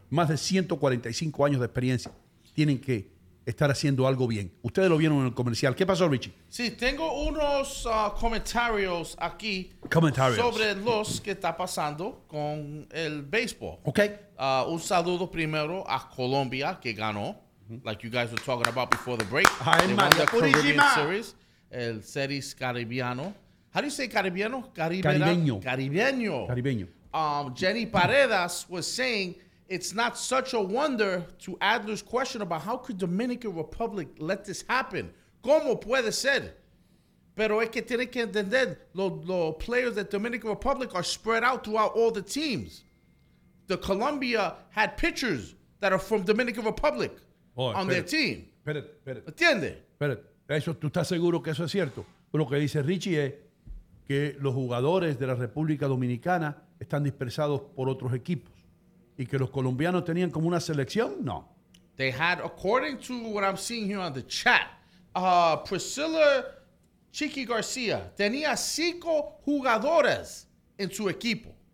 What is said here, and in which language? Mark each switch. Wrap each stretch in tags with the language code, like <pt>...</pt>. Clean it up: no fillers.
<es>Más de 145 años de experiencia. Tienen que estar haciendo algo bien. Ustedes lo vieron en el comercial. ¿Qué pasó, Richie? Sí, tengo unos comentarios aquí. Comentarios. Sobre los que está pasando con el béisbol. Ok. Un saludo primero a Colombia, que ganó. Mm-hmm.</es> <en>Like you guys were talking about before the break.</en> <es>Ay, María Purísima. Series, el series caribeano.</es> <en>How do you say caribeano?</en> <es>Caribeño. Caribeño. Caribeño.</es> <en>Jenny Paredes was saying, it's not such a wonder to Adler's question about how could Dominican Republic let this happen?</en> <es>¿Cómo puede ser? Pero es que tiene que entender, los players de Dominican Republic</es> <en>are spread out throughout all the teams. The Colombia had pitchers that are from Dominican Republic their team.</en> <es>Espérate. ¿Entiende? Espérate. Eso, ¿tú estás seguro que eso es cierto? Lo que dice Richie es que los jugadores de la República Dominicana están dispersados por otros equipos. ¿Y que los colombianos tenían como una selección? No.</es> <en>They had, according to what I'm seeing here on the chat, Priscilla Chiqui García</en> <es>tenía 5 jugadores en su equipo.</es>